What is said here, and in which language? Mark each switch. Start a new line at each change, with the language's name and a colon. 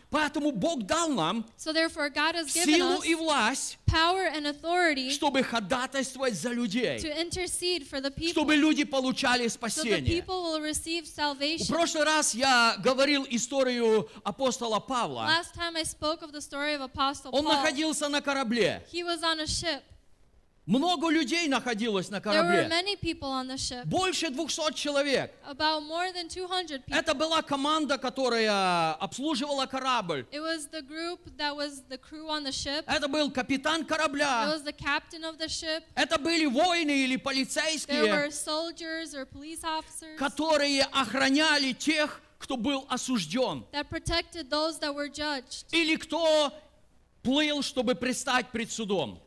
Russian: Поэтому Бог дал нам
English: so therefore God has given
Russian: силу
English: us
Russian: и власть,
English: power and authority,
Russian: чтобы ходатайствовать за людей,
English: to intercede for the people,
Russian: чтобы люди получали спасение.
English: So the people will receive salvation.
Russian: В прошлый раз я говорил историю апостола Павла.
English: Last time I spoke of the story of Apostle Paul.
Russian: Он находился на корабле.
English: He was on a ship.
Russian: Много людей находилось на корабле.
English: There were many people on the ship.
Russian: Больше 200 человек.
English: About more than 200 people.
Russian: Это была команда, которая обслуживала корабль.
English: It was the group that was the crew on the ship.
Russian: Это был капитан корабля.
English: It was the captain of the ship.
Russian: Это были воины или полицейские.
English: There were soldiers or police officers.
Russian: Которые охраняли тех, кто был осужден.
English: That protected those that were judged.
Russian: Или кто плыл, чтобы предстать пред судом.